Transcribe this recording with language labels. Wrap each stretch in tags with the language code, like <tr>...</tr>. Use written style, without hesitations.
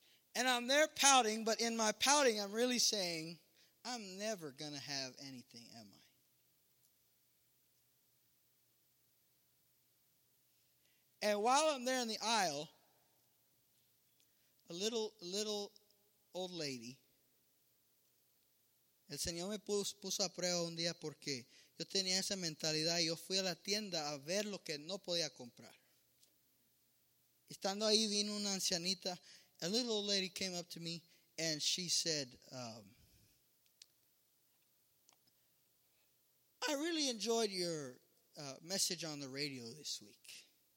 <en>And And I'm there pouting, but in my pouting, I'm really saying, I'm never going to have anything, am I? And while I'm there in the aisle, a little old lady,</en> <es>el Señor me puso a prueba un día porque yo tenía esa mentalidad y yo fui a la tienda a ver lo que no podía comprar. Estando ahí, vino una ancianita.</es> <en>A little old lady came up to me and she said, I really enjoyed your message on the radio this week.</en>